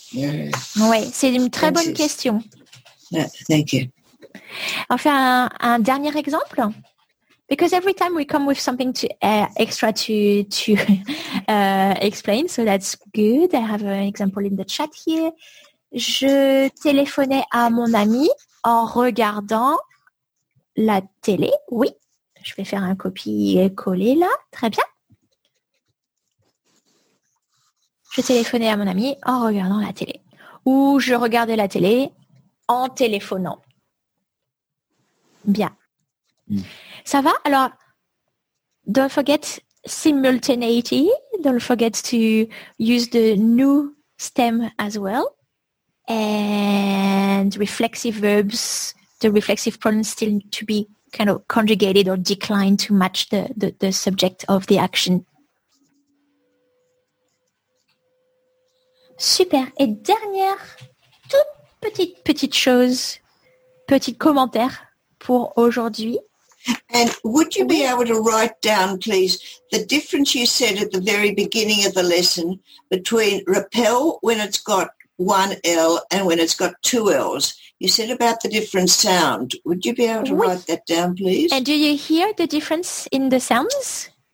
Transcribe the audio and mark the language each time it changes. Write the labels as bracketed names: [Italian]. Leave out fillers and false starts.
[French] Oui, c'est une très bonne question. [English] Thank you. [French] On fait un dernier exemple. [English] Because every time we come with something to extra to explain, so that's good. I have an example in the chat here. [French] Je téléphonais à mon ami en regardant la télé. Oui, je vais faire un copier-coller là. Très bien. Je téléphonais à mon ami en regardant la télé. Ou je regardais la télé en téléphonant. Bien. Ça va? [English] Alors, don't forget simultaneity. Don't forget to use the new stem as well. And reflexive verbs, the reflexive pronouns still to be kind of conjugated or declined to match the subject of the action. Super. [French] Et dernière, toute petite chose, petit commentaire pour aujourd'hui. [English] And would you be able to write down, please, the difference you said at the very beginning of the lesson between repel when it's got one L and when it's got two L's? You said about the different sound. Would you be able to write that down, please? And do you hear the difference in the sounds?